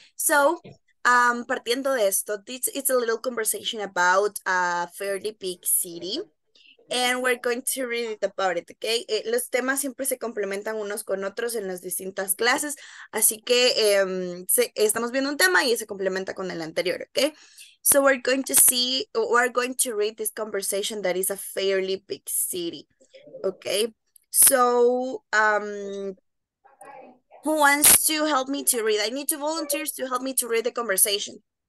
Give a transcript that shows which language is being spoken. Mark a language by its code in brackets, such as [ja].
[en] So, [es] partiendo de esto, [en] this is a little conversation about a fairly big city. And we're going to read it about it, okay? [es] Los temas siempre se complementan unos con otros en las distintas clases, así que estamos viendo un tema y se complementa con el anterior, okay? [en] So we're going to read this conversation that is a fairly big city, okay? So, who wants to help me to read? I need two volunteers to help me to read the conversation.